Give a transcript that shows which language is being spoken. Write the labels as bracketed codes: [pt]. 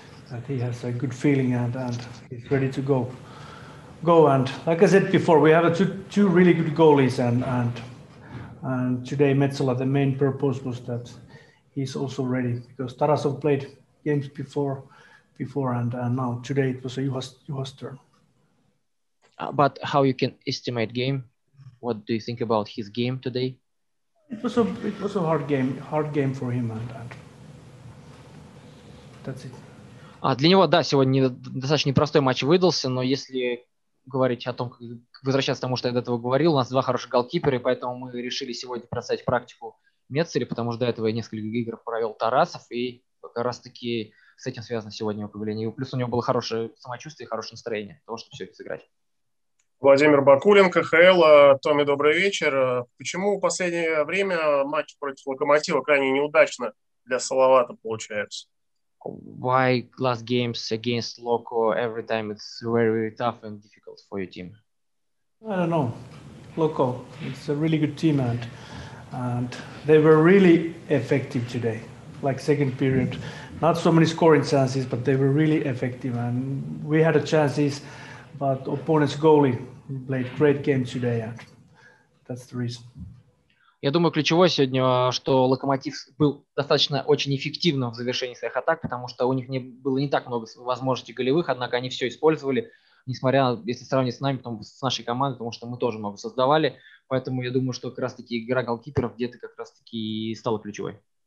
[en] And he has a good feeling and he's ready to go. Go and like I said before, we have two really good goalies and today Metsola, the main purpose was that he's also ready because Tarasov played games before and now today it was a Juha's turn. But how you can estimate game? What do you think about his game today? It was a hard game for him and that's it. [ru] Для него да, сегодня достаточно непростой матч выдался, но если говорить о том, возвращаться к тому, что я до этого говорил. У нас два хороших голкипера, и поэтому мы решили сегодня бросать практику Мецеле, потому что до этого я несколько игр провел Тарасов, и как раз-таки с этим связано сегодня его появление. Плюс у него было хорошее самочувствие, хорошее настроение того, чтобы все это сыграть. Владимир Бакулин, КХЛ. Томми, добрый вечер. Почему в последнее время матч против Локомотива крайне неудачно для Салавата получается? [en] Why last games against Loco every time it's very, very tough and difficult for your team? I don't know. Loco, it's a really good team and they were really effective today. Like second period, not so many scoring chances, but they were really effective. And we had a chances, but opponent's goalie played great game today. And that's the reason. [ru] Я думаю, ключевое сегодня, что Локомотив был достаточно очень эффективным в завершении своих атак, потому что у них не, было не так много возможностей голевых, однако они все использовали, несмотря на, если сравнить с нами, потом с нашей командой, потому что мы тоже много создавали. Поэтому я думаю, что как раз-таки игра голкиперов где-то как раз-таки и стала ключевой.